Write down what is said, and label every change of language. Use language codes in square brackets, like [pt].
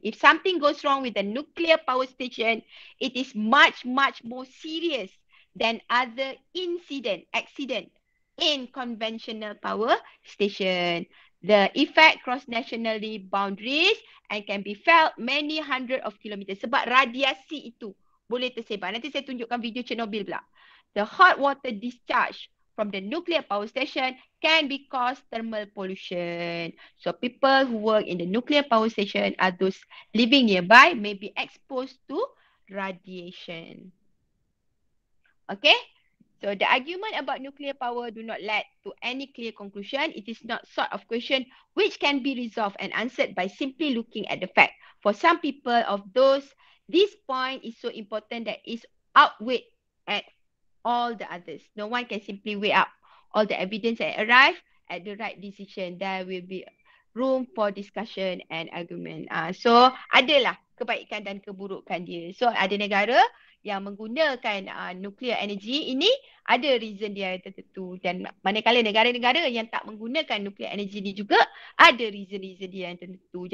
[en] If something goes wrong with the nuclear power station, it is much, much more serious than other accident in conventional power station. The effect cross nationally boundaries and can be felt many hundreds of kilometers. [ms] Sebab radiasi itu boleh tersebar. Nanti saya tunjukkan video Chernobyl pula. [en] The hot water discharge from the nuclear power station can be cause thermal pollution. So people who work in the nuclear power station are those living nearby may be exposed to radiation. Okay? So the argument about nuclear power do not lead to any clear conclusion. It is not sort of question which can be resolved and answered by simply looking at the fact. For some people of those, this point is so important that it's outweighed at all the others. No one can simply weigh up all the evidence and arrive at the right decision. There will be room for discussion and argument. [ms] So adalah kebaikan dan keburukan dia. So ada negara yang menggunakan nuclear energy ini, ada reason dia tertentu. Dan manakala negara-negara yang tak menggunakan nuclear energy ni juga, ada reason-reason dia yang tertentu.